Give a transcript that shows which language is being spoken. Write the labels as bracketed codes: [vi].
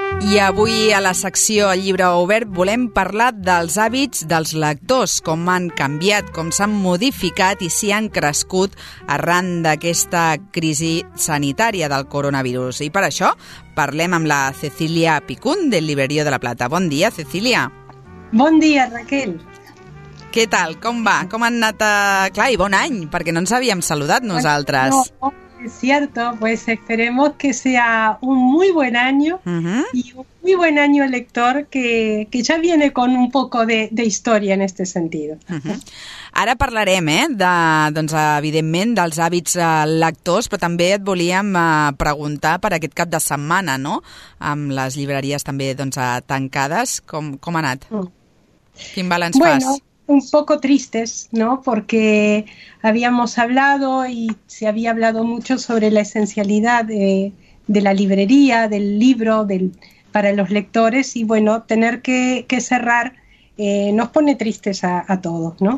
[ca] I avui a la secció El llibre obert volem parlar dels hàbits dels lectors, com han canviat, com s'han modificat i si han crescut arran d'aquesta crisi sanitària del coronavirus. I per això parlem amb la Cecília Picún, del Librerío de la Plata. Bon dia, Cecília. Bon dia, Raquel. Què tal? Com va? Com han anat? Clar, i bon any, perquè no ens havíem saludat nosaltres. No. [es] Es cierto, pues esperemos que sea un muy buen año y un muy buen año lector que ya viene con un poco de historia en este sentido. [ca] Ara parlarem, evidentment, dels hàbits lectors, però també et volíem preguntar per aquest cap de setmana, no? Amb les llibreries també tancades, com ha anat? Quin balanç fas? [es] Un poco tristes, ¿no? Porque habíamos hablado y se había hablado mucho sobre la esencialidad de la librería, del libro, para los lectores, y bueno, tener que cerrar nos pone tristes a todos, ¿no?